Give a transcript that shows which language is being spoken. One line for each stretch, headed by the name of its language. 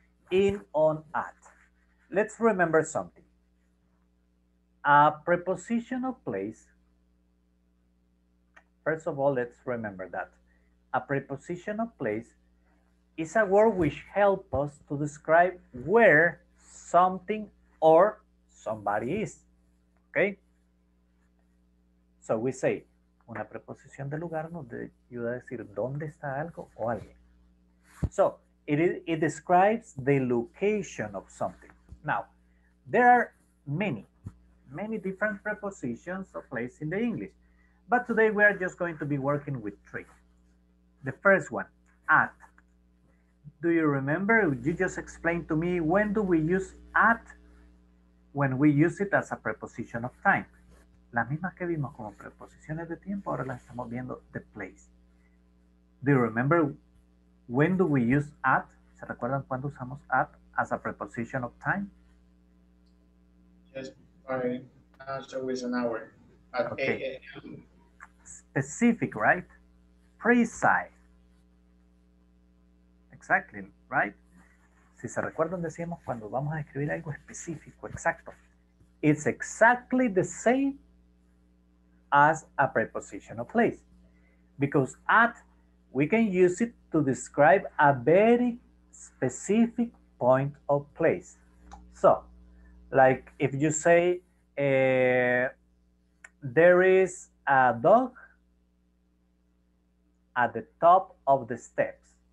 English: In, on, at. Let's remember something. A preposition of place. First of all, let's remember that. A preposition of place is a word which helps us to describe where something or somebody is. Okay? So we say,
Spanish: una preposición de lugar nos ayuda a decir dónde está algo o alguien.
English: So, it describes the location of something. Now, there are many, many different prepositions of place in the English. But today we are just going to be working with three. The first one, at. Do you remember? You just explained to me, when do we use at? When we use it as a preposition of time.
Spanish: La misma que vimos como preposiciones de tiempo, ahora la estamos viendo de place.
English: Do you remember when do we use at?
Spanish: ¿Se recuerdan cuando usamos
English: at as a preposition of time? Yes, by an hour. At okay. A.m. Specific, right? Precise. Exactly, right?
Spanish: Si se recuerdan decíamos cuando vamos a escribir algo específico, exacto.
English: It's exactly the same as a preposition of place. Because at, we can use it to describe a very specific point of place. So, like if you say, there is a dog at the top of the steps.